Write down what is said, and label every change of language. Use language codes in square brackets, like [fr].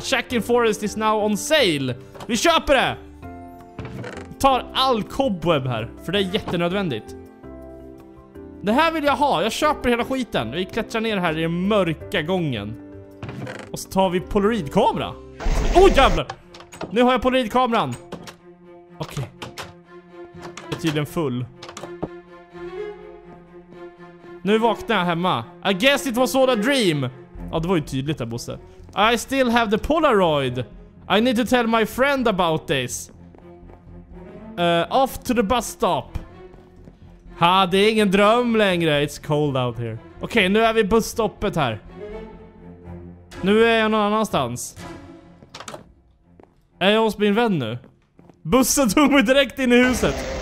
[en] Shack in forest is now on sale. [sv] Vi köper det. Tar all cobweb här. För det är jättenödvändigt. Det här vill jag ha. Jag köper hela skiten. Vi klättrar ner här i den mörka gången. Och så tar vi polaroidkamera. Oh jävlar. Nu har jag polaroidkameran. Okej. Okay. Det är tydligen full. Nu vaknar jag hemma. [en] I guess it was all a dream. [sv] Ja, det var ju tydligt där, Bosse. [en] I still have the polaroid. I need to tell my friend about this. Off to the bus stop. [sv] Ha, det är ingen dröm längre. [en] It's cold out here. [sv] Okej, okay, nu är vi busstoppet här. Nu är jag någon annanstans. Är jag hos min vän nu? Bussen tog mig direkt in i huset.